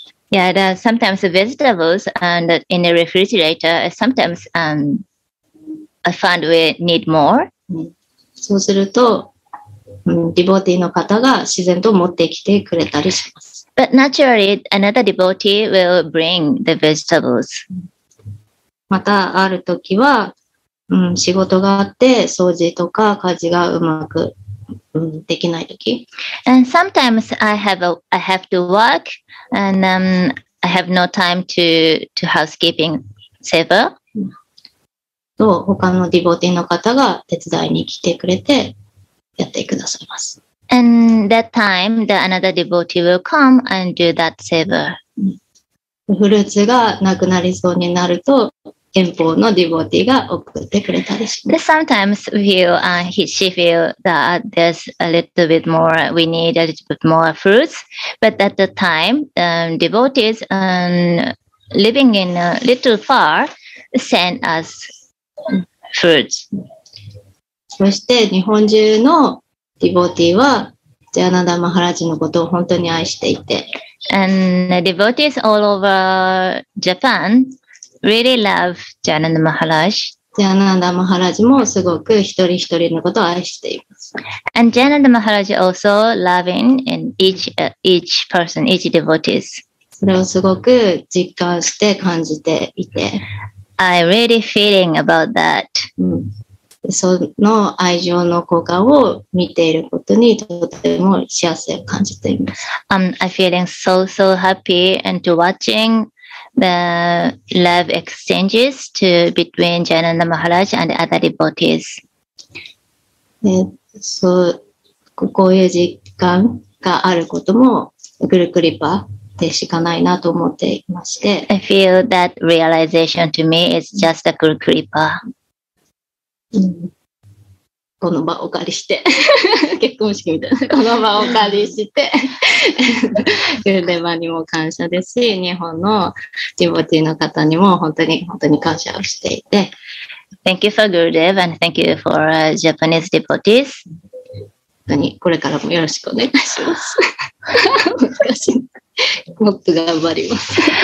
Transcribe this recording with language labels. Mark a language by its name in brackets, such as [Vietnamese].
[English] Yeah, there are sometimes vegetables and in the refrigerator, sometimes, I find we need more. [Japanese] そうすると、ディボティの方が自然と持ってきてくれたりします。 [English] But naturally, another devotee will bring the vegetables. [Japanese] またある時は、仕事があって掃除とか家事がうまく、できない時。 [English] And sometimes I have to work and I have no time to housekeeping seva. [Japanese] と他の devotee の方が手伝いに来てくれてやってくださいます。 [English] And that time, the another devotee will come and do that seva. [Japanese] フルーツがなくなりそうになると、遠方の devotee が送ってくれたりします。 [English] But sometimes she feel that there's a little bit more, we need a little bit more fruits. But at the time, devotees living in a little far send us fruits. [Japanese] そして日本中のディボーティーはジャナダ・マハラジのことを本当に愛していて。 [English] And the devotees all over Japan really love ジャナダ・マハラジ。 [Japanese] ジャナダ・マハラジもすごく一人一人のことを愛しています。 [English] And ジャナダ・マハラジ also loving in each person, each devotees. [Japanese] それをすごく実感して感じていて。 [English] I really feeling about that. [Japanese] その愛情の効果を見ていることにとても幸せを感じています。 [English] I'm feeling so, so happy and to watching the love exchanges to between Jananda Maharaj and other devotees. [Japanese] そう、こういう実感があることもグルクリパでしかないなと思っていまして。 [English] I feel that realization to me is just a グルクリパ。 [Japanese] この場をお借りして結婚式みたいなこの場をお借りしてグルデバにも感謝ですし日本のディボティの方にも本当に感謝をしていて [English] Thank you for Gurudev and thank you for Japanese devotees [Japanese] 本当にこれからもよろしくお願いします難しいもっと頑張ります